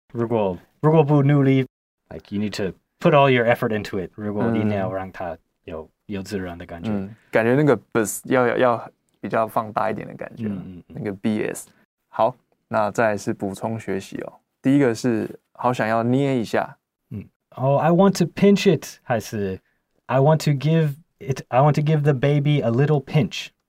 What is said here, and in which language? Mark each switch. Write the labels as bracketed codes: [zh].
[zh] 如果不努力 [en] ，like you need to put all your effort into it. [zh] 如果一定要让它有自然的感觉，感觉那个 bs 要比较放大一点的感觉，那个 bs。好，那再来是补充学习哦。第一个是好想要捏一下。 [en] Oh, I want to pinch it. 还是 I want to give it. I want to give the baby a little pinch.